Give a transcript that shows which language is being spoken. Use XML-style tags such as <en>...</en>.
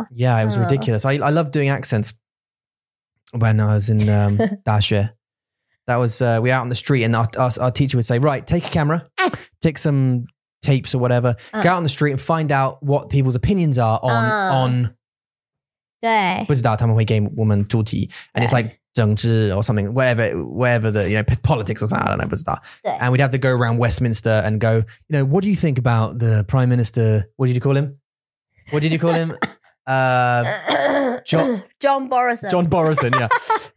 <en>yeah, it was ridiculous. I love doing accents. When I was in Dashe, that was, we were out on the street and our teacher would say, right, take a camera, take some tapes or whatever, go out on the street and find out what people's opinions are on.</en> <zh>不知道他们会给我们主题,</zh> <en>and it's like 政治 or something, whatever the, you know, politics or something, I don't know,</en> <zh>不知道.</zh> <en>And we'd have to go around Westminster and go, you know, what do you think about the prime minister? What did you call him? John Borison,</en>